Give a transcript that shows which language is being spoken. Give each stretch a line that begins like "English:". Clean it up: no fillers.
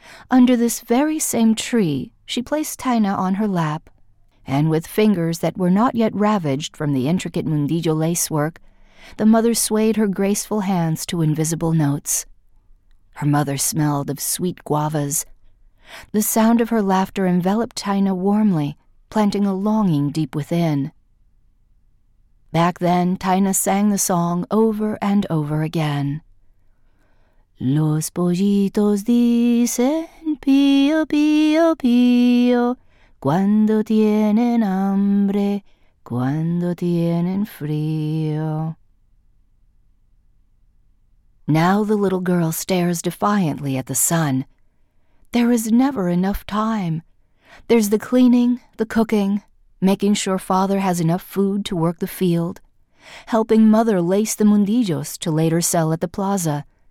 English: Under this very same tree, she placed Dinah on her lap, and with fingers that were not yet ravaged from the intricate mundillo lacework, the mother swayed her graceful hands to invisible notes. Her mother smelled of sweet guavas. The sound of her laughter enveloped Dinah warmly, planting a longing deep within. Back then, Dinah sang the song over and over again.
Spanish: Los pollitos dicen pío, pío, pío, cuando tienen hambre, cuando tienen frío.
English: Now the little girl stares defiantly at the sun. There is never enough time. There's the cleaning, the cooking, making sure father has enough food to work the field, helping mother lace the mundillos to later sell at the plaza.